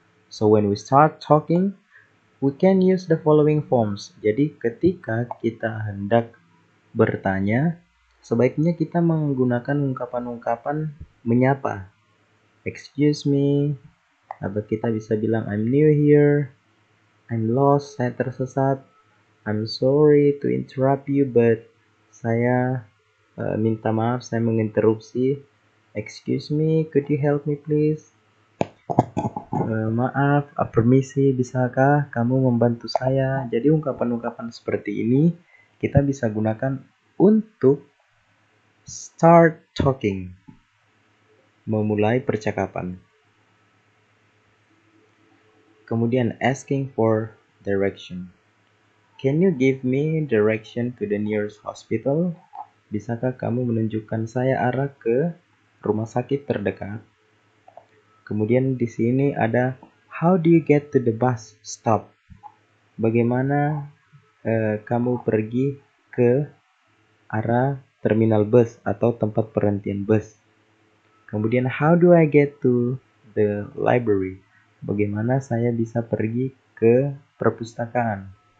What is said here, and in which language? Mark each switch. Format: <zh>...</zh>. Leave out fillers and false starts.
<en>So when we start talking, we can use the following forms.</en> <id>Jadi ketika kita hendak bertanya, sebaiknya kita menggunakan ungkapan-ungkapan menyapa.</id> <en>Excuse me,</en> <id>atau kita bisa bilang</id> <en>I'm new here, I'm lost,</en> <id>saya tersesat,</id> <en>I'm sorry to interrupt you, but</en> <id>saya minta maaf, saya menginterupsi.</id> <en>Excuse me, could you help me please?</en> <id>Maaf, permisi, bisakah kamu membantu saya? Jadi ungkapan-ungkapan seperti ini kita bisa gunakan untuk</id> <en>start talking,</en> <id>memulai percakapan. Kemudian</id> <en>asking for direction. Can you give me direction to the nearest hospital?</en> <id>Bisakah kamu menunjukkan saya arah ke rumah sakit terdekat? Kemudian di sini ada</id> <en>how do you get to the bus stop?</en> <id>Bagaimana kamu pergi ke arah terminal bus atau tempat perhentian bus? Kemudian</id> <en>how do I get to the library?</en> <id>Bagaimana saya bisa pergi ke perpustakaan?</id>